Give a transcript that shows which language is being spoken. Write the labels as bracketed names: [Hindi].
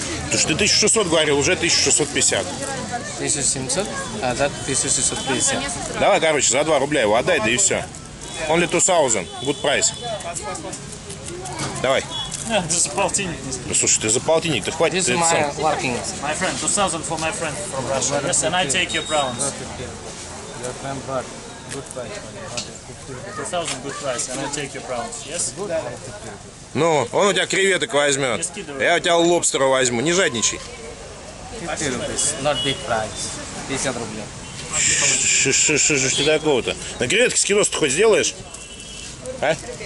[Russian] Ты же 1600 говорил, уже 1650. 1700? А, да, 1650. Давай, короче, за 2 рубля его отдай, да и все. [English] Only 2000, good price. [Russian] Давай. Ты за полтинник не спишь. Слушай, ты за полтинник, ты хватит. [English] This is my working. My friend, 2000 for my friend from Russia. And I take your problems. Your friend, but good price. 2000 good price, and I take your problems. Yes? [Russian] Ну, он у тебя креветок возьмет. Я у тебя лобстера возьму. Не жадничай. [English] 50 not big price. [Russian] 50 рублей. Что же ты такого-то? На креветке скидос ты хоть сделаешь? А?